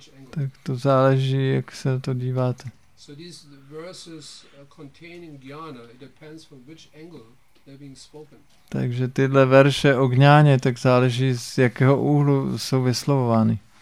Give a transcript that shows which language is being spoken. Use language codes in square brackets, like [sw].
[cs] Tak to záleží, jak se to díváte. [en] So these verses containing jnana, it depends from which angle they're being spoken. [cs] Takže tyhle verše o jnáně, tak záleží, z jakého úhlu jsou vyslovovány.